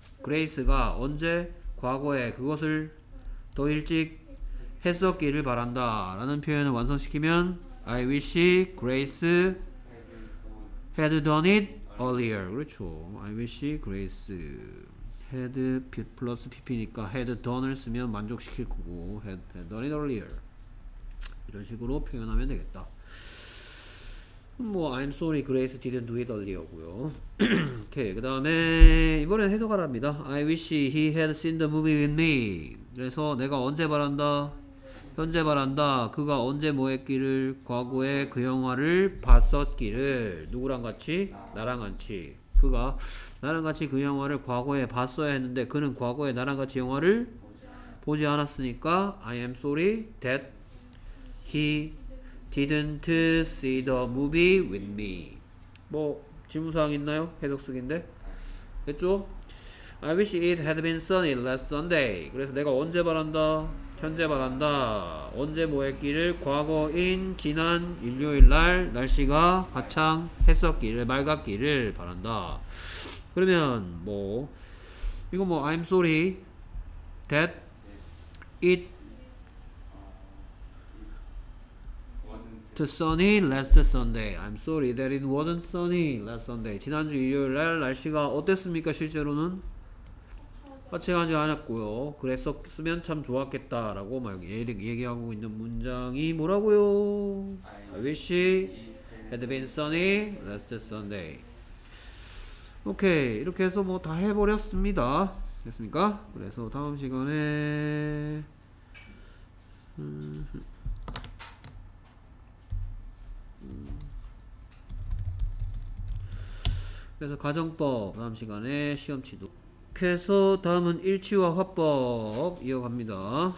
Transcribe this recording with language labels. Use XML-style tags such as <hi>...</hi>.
<ko>그레이스가 언제? 과거에 그것을 더 일찍 했었기를 바란다 라는 표현을 완성시키면</ko> <en>I wish Grace had done it earlier.</en> <ko>그렇죠.</ko> <en>I wish Grace had plus pp니까 had done을</en> <ko>쓰면 만족시킬 거고</ko> <en>had done it earlier.</en> <ko>이런 식으로 표현하면 되겠다.</ko> <en>뭐 I'm sorry, Grace didn't do it earlier고요.</en> <ko>오케이, 그 다음에 이번엔 해석 하나입니다.</ko> <en>I wish he had seen the movie with me.</en> <ko>그래서 내가 언제 바란다? 현재 바란다. 그가 언제 뭐 했기를? 과거에 그 영화를 봤었기를. 누구랑 같이? 나랑 같이. 그가 나랑 같이 그 영화를 과거에 봤어야 했는데 그는 과거에 나랑 같이 영화를 보지 않았으니까</ko> <en>I am sorry that he didn't see the movie with me.</en> <ko>뭐 질문사항 있나요? 해석수긴데 됐죠?</ko> <en>I wish it had been sunny last Sunday.</en> <ko>그래서 내가 언제 바란다? 현재 바란다. 언제 뭐 했기를? 과거인 지난 일요일 날 날씨가 화창했었기를, 맑았기를 바란다. 그러면 뭐 이거 뭐</ko> <en>I'm sorry that it sunny last Sunday. I'm sorry that it wasn't sunny last Sunday.</en> <ko>지난주 일요일 날 날씨가 어땠습니까? 실제로는 화창하지 않았고요. 그랬었으면 참 좋았겠다라고 막 얘기하고 있는 문장이 뭐라고요?</ko> <en>I wish it had been sunny last Sunday.</en> <ko>오케이, 이렇게 해서 뭐다 해버렸습니다. 됐습니까? 그래서 다음 시간에 그래서 가정법 다음 시간에 시험치도 계속 다음은 일치와 화법 이어갑니다.</ko>